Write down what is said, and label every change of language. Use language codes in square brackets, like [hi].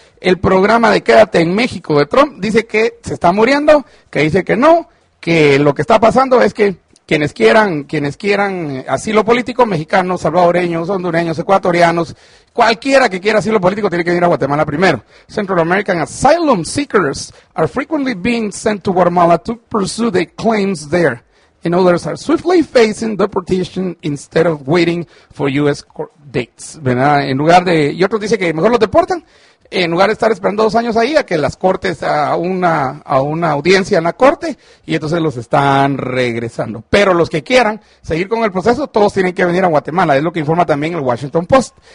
[es] el programa de Quédate en México de Trump, dice que se está muriendo, que dice que no, que lo que está pasando es que quienes quieran asilo político, mexicanos, salvadoreños, hondureños, ecuatorianos, cualquiera que quiera asilo político tiene que ir a Guatemala primero. [en] Central American asylum seekers are frequently being sent to Guatemala to pursue their claims there, and others are swiftly facing deportation instead of waiting for U.S. court dates. [es] ¿Verdad? En lugar de, y otros dicen que mejor los deportan, en lugar de estar esperando 2 años ahí a que las cortes, a una audiencia en la corte, y entonces los están regresando. Pero los que quieran seguir con el proceso, todos tienen que venir a Guatemala, es lo que informa también el Washington Post.